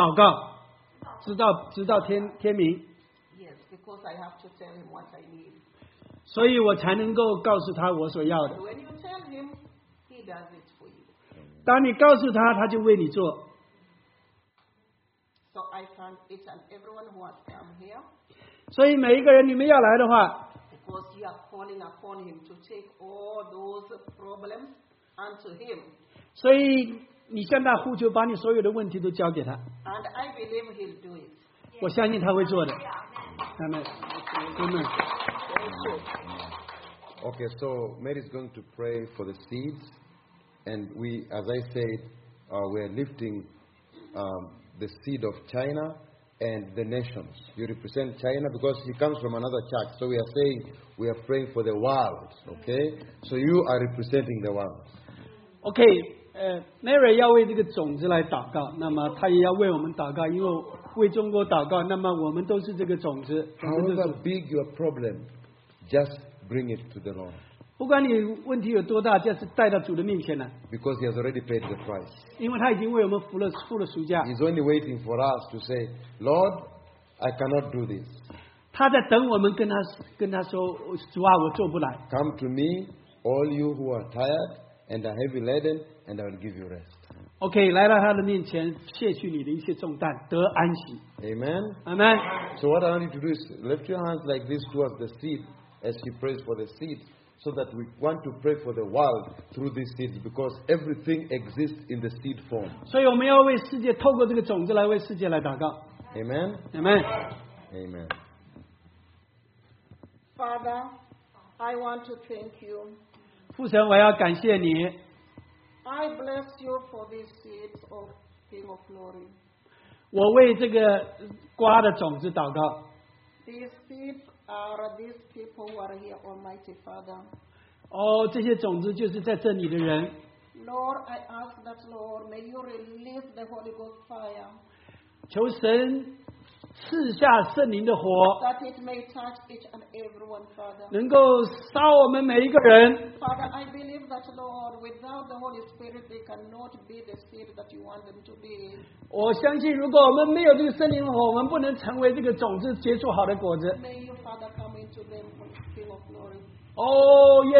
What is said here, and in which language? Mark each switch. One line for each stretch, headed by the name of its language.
Chinese: 所以他说我整晚祷告，直到天明。
English: Yes, because I have to tell him what I need.
Chinese: 所以我才能够告诉他我所要的。
English: When you tell him, he does it for you.
Chinese: 当你告诉他，他就为你做。
English: So I found it, and everyone who has come here.
Chinese: 所以每一个人，你们要来的话。
English: Because you are calling upon him to take all those problems unto him.
Chinese: 所以。你向他呼求，把你所有的问题都交给他。
English: And I believe he'll do it.
Chinese: 我相信他会做的。Amen. Amen.
English: Okay, so Mary's going to pray for the seeds. And we, as I said, we're lifting the seed of China and the nations. You represent China because he comes from another church. So we are saying we are praying for the world. Okay? So you are representing the world.
Chinese: Okay. Mary 要为这个种子来祷告，那么她也要为我们祷告，因为为中国祷告，那么我们都是这个种子。
English: However big your problem, just bring it to the Lord.
Chinese: 不管你问题有多大，就是带到主的面前来。
English: Because he has already paid the price.
Chinese: 因为他已经为我们付了赎价。
English: He's only waiting for us to say, Lord, I cannot do this.
Chinese: 他在等我们跟他说，主啊，我做不来。
English: Come to me, all you who are tired and are heavy laden. And I will give you rest.
Chinese: Okay, 来到他的面前，卸去你的一些重担，得安息。
English: Amen. Amen. So what I want you to do is lift your hands like this towards the seed as you pray for the seed, so that we want to pray for the world through these seeds because everything exists in the seed form.
Chinese: 所以我们要为世界，透过这个种子来为世界来祷告。
English: Amen. Amen. Amen. Father, I want to thank you.
Chinese: 父神，我要感谢你。
English: I bless you for these seeds of King of Glory.
Chinese: 我为这个瓜的种子祷告。
English: These seeds are these people who are here, Almighty Father.
Chinese: 哦，这些种子就是在这里的人。
English: Lord, I ask that Lord, may you release the Holy Ghost fire.
Chinese: 求神赐下圣灵的火。
English: That it may touch each and every one, Father.
Chinese: 能够烧我们每一个人。
English: Father, I believe that, Lord, without the Holy Spirit, they cannot be the seed that you want them to be.
Chinese: 我相信，如果我们没有这个圣灵的火，我们不能成为这个种子结出好的果子。
English: May you, Father, come into them, King of Glory.